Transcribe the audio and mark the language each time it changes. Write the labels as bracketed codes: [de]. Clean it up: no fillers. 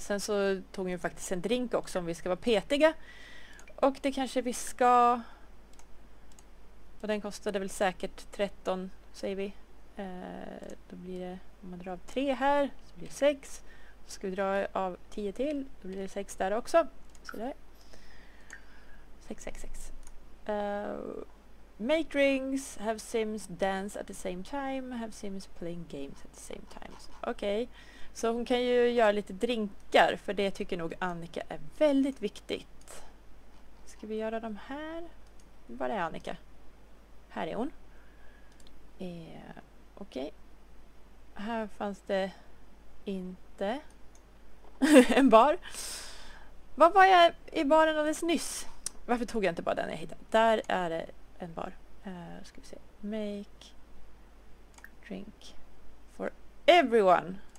[sv] Sen så tog vi faktiskt en drink också om vi ska vara petiga. Och det kanske vi ska. Och den kostade väl säkert 13, säger vi. Då blir det, om man drar av 3 här, så blir det 6. Ska vi dra av 10 till, då blir det 6 där också. Så där. 6. [en] Make drinks, have Sims dance at the same time, have Sims playing games at the same time. [sv] Okej, okay. Så hon kan ju göra lite drinkar, för det tycker nog Annika är väldigt viktigt. Ska vi göra de här? Var är Annika? Här är hon. Okej. Okay. Här fanns det inte en bar. Var var jag i baren alldeles nyss? Varför tog jag inte bara den jag hittade? Där är det en bar. Ska vi se. [en] Make drink for everyone.